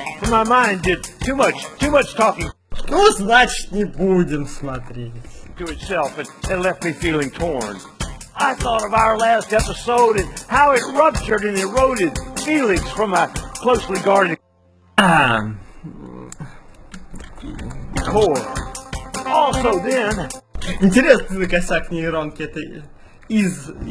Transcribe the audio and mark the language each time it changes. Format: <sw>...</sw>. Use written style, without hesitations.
<en>My mind did too much talking.</en> <ru>Ну, значит, не будем смотреть.</ru> <en>To itself, it left me feeling torn. I thought of our last episode and how it ruptured and eroded feelings from a closely guarded core. Also then...</en> <ru>Интересный косяк нейронки, это из...</ru>